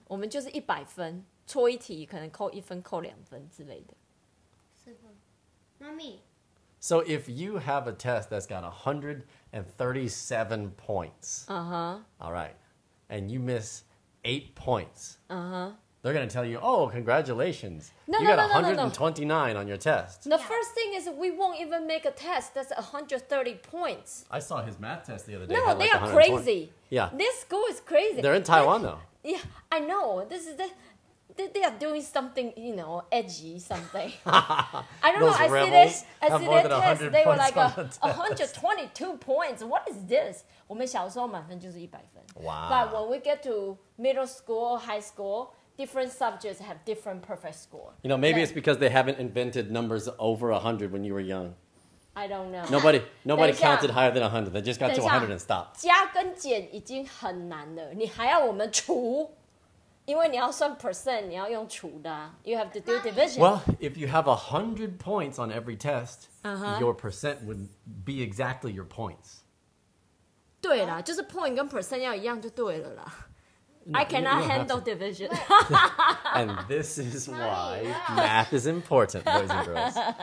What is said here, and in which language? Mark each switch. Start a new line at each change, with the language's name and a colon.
Chinese: 我们就是100分, 错一题可能扣1分扣2分之类的.
English: Mommy. So if you have a test that's got 137 points, uh-huh. All right, and you miss 8 points, uh-huh. They're going to tell you, oh, congratulations. No, you got 129 on your test. The first thing is we won't even make a test that's 130 points. I saw his math test the other day. No, they are crazy. Yeah. This school is crazy. They're in Taiwan, though. Yeah, I know. This is the... They are doing something, you know, edgy something. I don't Those know. I see their test. They were like 122 points. What is this?
Chinese: 我们小时候满分就是100分.
English: Wow. But when we get to middle school, high school, different subjects have different perfect score. You know, maybe it's because they haven't invented numbers over 100 when you were young. I don't know. Nobody counted higher than 100. They just got to 100 and stopped.
Chinese: 加跟减已经很难了，你还要我们除。因为你要算 percent, 你要用除的,
English: you have to do division. Well, if you have 100 points on every test, your percent would be exactly your points.
Chinese: 对啦, 就是 point 跟 percent 要一样就对了啦.
English: No, I cannot handle division.
Chinese: And this is why math is important, boys and girls.